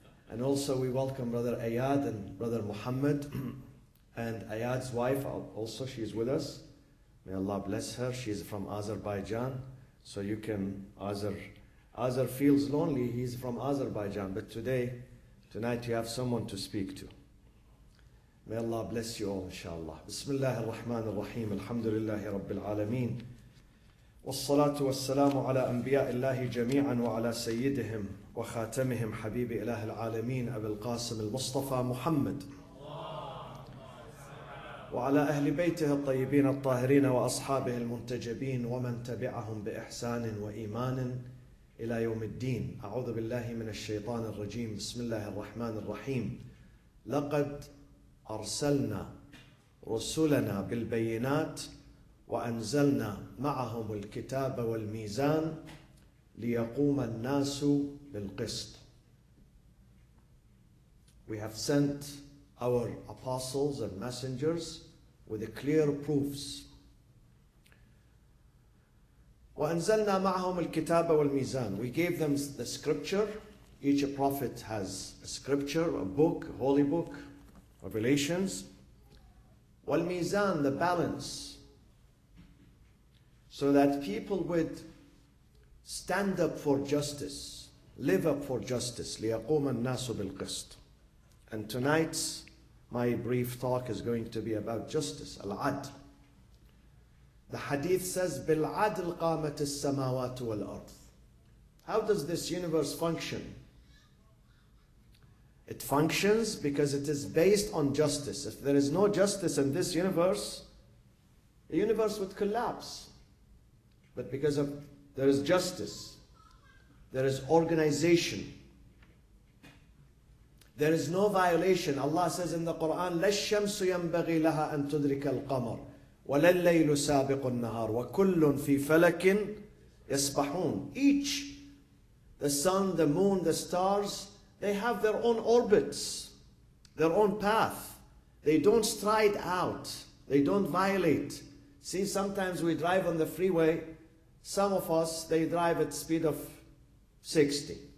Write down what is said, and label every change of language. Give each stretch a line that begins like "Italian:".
English: And also we welcome Brother Ayad and Brother Muhammad and Ayad's wife also, she is with us. May Allah bless her. She is from Azerbaijan. So you can, Azer feels lonely. He's from Azerbaijan. But today, tonight you have someone to speak to. May Allah bless you all, inshallah.
Arabic: Bismillah ar-Rahman ar-Rahim. Alhamdulillahi Rabbil Alameen. والصلاة والسلام على أنبياء الله جميعا وعلى سيدهم وخاتمهم حبيب إله العالمين أبي القاسم المصطفى محمد وعلى أهل بيته الطيبين الطاهرين وأصحابه المنتجبين ومن تبعهم بإحسان وإيمان إلى يوم الدين. أعوذ بالله من الشيطان الرجيم. بسم الله الرحمن الرحيم. لقد أرسلنا رسلنا بالبينات وأنزلنا معهم الكتاب والميزان ليقوم الناس بالقسط.
English: We have sent our apostles and messengers with clear proofs.
Arabic: وأنزلنا معهم الكتاب والميزان.
English: We gave them the scripture. Each prophet has a scripture, a book, a holy book, revelations. والميزان, the balance. So that people would stand up for justice, live up for justice.
Arabic: لِيَقُومَ النَّاسُ بِالْقِسْطِ.
English: And tonight, my brief talk is going to be about justice, al-adl. The hadith says,
Arabic: بِالْعَدْلِ قَامَتِ السَّمَاوَاتُ وَالْأَرْضِ.
English: How does this universe function? It functions because it is based on justice. If there is no justice in this universe, the universe would collapse. But because of there is justice, there is organization, there is no violation. Allah says in the Quran,
Arabic: لَالشَّمْسُ يَنْبَغِي لَهَا أَن تُدْرِكَ الْقَمَرِ وَلَا اللَّيْلُ سَابِقُ النَّهَارِ وَكُلٌّ فِي فَلَكٍ يَسْبَحُونَ.
English: Each, the sun, the moon, the stars, they have their own orbits, their own path. They don't stride out. They don't violate. See, sometimes we drive on the freeway. Some of us, they drive at speed of 60.